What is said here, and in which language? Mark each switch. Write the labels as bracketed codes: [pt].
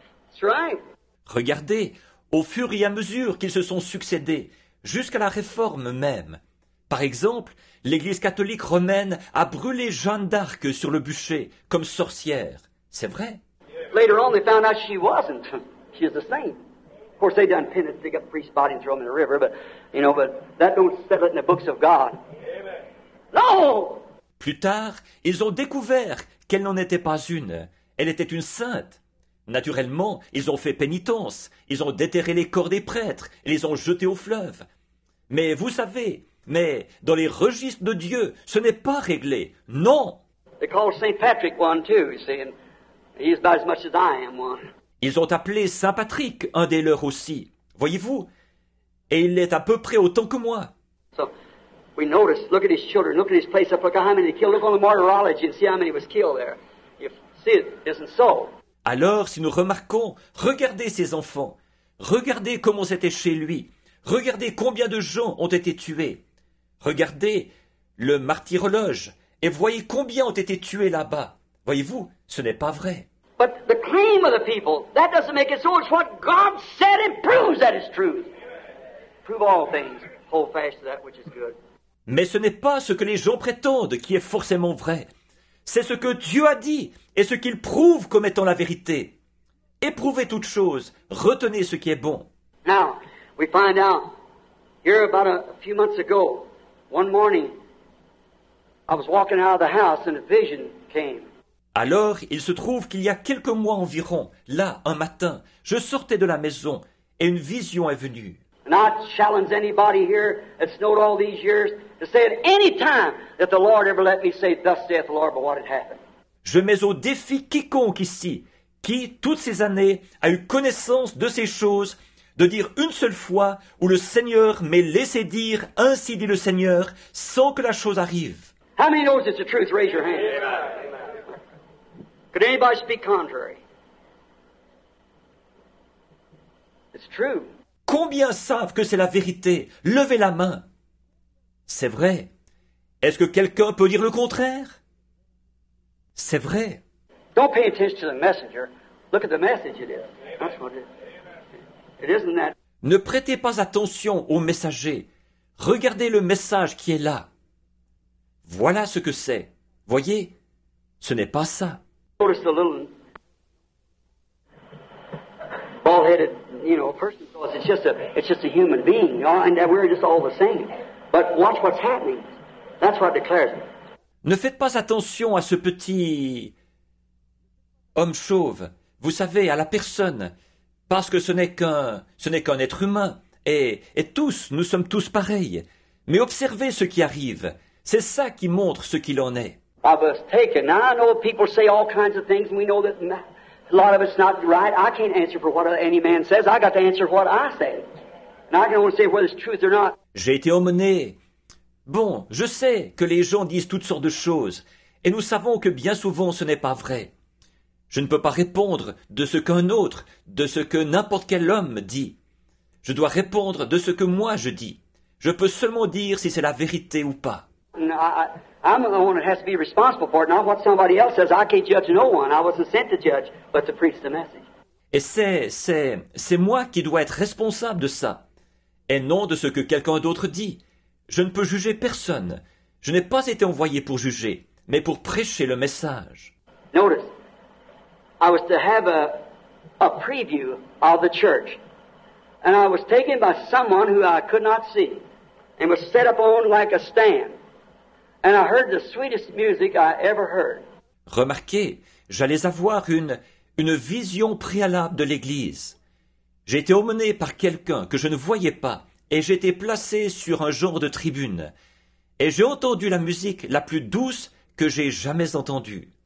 [en] That's right. [fr] Regardez, au fur et à mesure qu'ils se sont succédés, jusqu'à la Réforme même. Par exemple, l'Église catholique romaine a brûlé Jeanne d'Arc sur le bûcher comme sorcière. C'est vrai. [en] Later on, they found out she wasn't. She was a saint. Of course, they done penance, dig up priest's body and throw him in the river, but you know, but that don't settle it in the books of God. Amen. No. [fr] Plus tard, ils ont découvert qu'elle n'en était pas une. Elle était une sainte. Naturellement, ils ont fait pénitence. Ils ont déterré les corps des prêtres et les ont jetés au fleuve. Mais vous savez. Mais dans les registres de Dieu, ce n'est pas réglé. Non. [en] They call Saint Patrick one too, you see, and he's about as much as I am one. [fr] Ils ont appelé Saint Patrick un des leurs aussi. Voyez-vous? Et il est à peu près autant que moi. [en] So, we notice. Look at his children. Look at his place up. Look at how many he killed. Look on the martyrology and see how many was killed there. You see, it isn't so. [fr] Alors, si nous remarquons, regardez ses enfants. Regardez comment c'était chez lui. Regardez combien de gens ont été tués. Regardez le martyrologe et voyez combien ont été tués là-bas. Voyez-vous, ce n'est pas vrai. [en] But the claim of the people, that doesn't make it so. It's what God said and proves that it's truth. Prove all things, hold fast to that which is good. [fr] Mais ce n'est pas ce que les gens prétendent qui est forcément vrai. C'est ce que Dieu a dit et ce qu'il prouve comme étant la vérité. Éprouvez toutes choses, retenez ce qui est bon. [en] Now, we find out here about a few months ago, one morning, I was walking out of the house and a vision came. [fr] Alors, il se trouve qu'il y a quelques mois environ, là, un matin, je sortais de la maison et une vision est venue. [en] And I challenge anybody here that's known all these years to say at any time that the Lord ever let me say, thus saith the Lord, but what had happened. [fr] Je mets au défi quiconque ici, qui, toutes ces années, a eu connaissance de ces choses, de dire une seule fois où le Seigneur m'ait laissé dire, ainsi dit le Seigneur, sans que la chose arrive. [en] How many knows it's the truth? Raise your hand. Amen. Could anybody speak contrary? It's true. [fr] Combien savent que c'est la vérité? Levez la main. C'est vrai. Est-ce que quelqu'un peut dire le contraire? C'est vrai. [en] Don't pay attention to the messenger. Look at the message it is. That's what it is. It isn't that. [fr] Ne prêtez pas attention au messager. Regardez le message qui est là. Voilà ce que c'est. Voyez, ce n'est pas ça. [en] Notice the little bald-headed, you know, person. It's just a human being, you know, and that we're just all the same. But watch what's happening. That's what declares it. [fr] Ne faites pas attention à ce petit homme chauve, vous savez, à la personne, parce que ce n'est qu'un être humain, et tous, nous sommes tous pareils. Mais observez ce qui arrive, c'est ça qui montre ce qu'il en est. [en] I was taken. Now I know people say all kinds of things, and we know that a lot of it's not right. I can't answer for what any man says. I got to answer what I say. And I don't want to say whether it's truth or not. [fr] J'ai été emmené. Bon, je sais que les gens disent toutes sortes de choses, et nous savons que bien souvent ce n'est pas vrai. Je ne peux pas répondre de ce qu'un autre, de ce que n'importe quel homme dit. Je dois répondre de ce que moi je dis. Je peux seulement dire si c'est la vérité ou pas. [en] I'm the one that has to be responsible for it, not what somebody else says. I can't judge no one. I wasn't sent to judge, but to preach the message. [fr] Et c'est moi qui dois être responsable de ça, et non de ce que quelqu'un d'autre dit. Je ne peux juger personne. Je n'ai pas été envoyé pour juger, mais pour prêcher le message. [en] Notice, I was to have a preview of the church, and I was taken by someone who I could not see, and was set up on like a stand, and I heard the sweetest music I ever heard. [fr] Remarquez, j'allais avoir une vision préalable de l'Église. J'ai été emmené par quelqu'un que je ne voyais pas. Et j'étais placé sur un genre de tribune. Et j'ai entendu la musique la plus douce que j'ai jamais entendue.